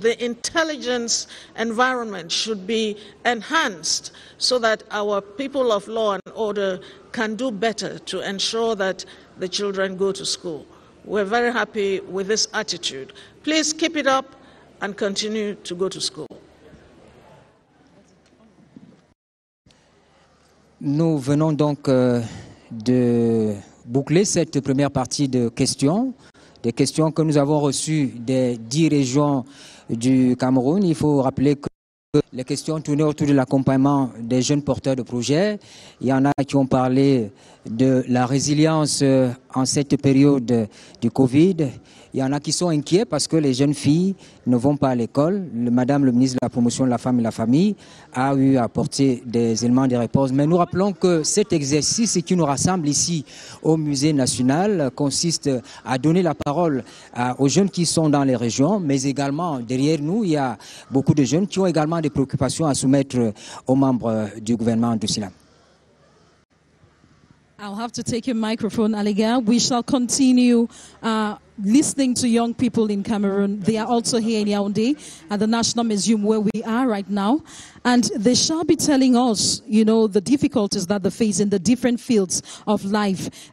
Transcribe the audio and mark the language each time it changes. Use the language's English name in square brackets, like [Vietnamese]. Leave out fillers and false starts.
[English] The intelligence environment should be enhanced so that our people of law and order can do better to ensure that the children go to school. We're very happy with this attitude. Please keep it up and continue to go to school. [French] Nous venons donc de boucler cette première partie de questions, des questions que nous avons reçues des 10 régions du Cameroun. Il faut rappeler que les questions tournaient autour de l'accompagnement des jeunes porteurs de projets. Il y en a qui ont parlé de la résilience en cette période du Covid. Il y en a qui sont inquiets parce que les jeunes filles ne vont pas à l'école. Madame le ministre de la Promotion de la Femme et de la Famille a eu à apporter des éléments de réponse. Mais nous rappelons que cet exercice qui nous rassemble ici au Musée national consiste à donner la parole aux jeunes qui sont dans les régions, mais également derrière nous, il y a beaucoup de jeunes qui ont également des préoccupations à soumettre aux membres du gouvernement du Sénat. [English] I'll have to take your microphone, Aliga. We shall continue listening to young people in Cameroon. They are also here in Yaoundé at the National Museum where we are right now. And they shall be telling us, you know, the difficulties that they face in the different fields of life.